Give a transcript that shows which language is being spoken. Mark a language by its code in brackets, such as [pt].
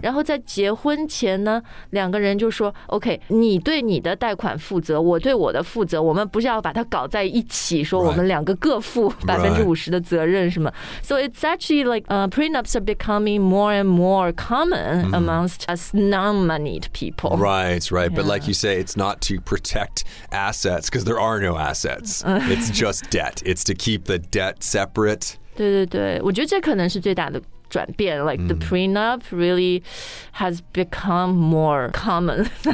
[zh] 然后在结婚前呢两个人就说 OK 你对你的贷款负责，我对我的负责，我们不是要把它搞在一起说我们两个各负50%的责任什么、 [en] right. So it's actually like prenups are becoming more and more common amongst us non-moneyed people. Right, right. But like you say, it's not to protect assets because there are no assets. It's just debt. It's to keep the debt separate. [zh] 对对对，我觉得这可能是最大的转变。 [en] Like the prenup really has become more common now,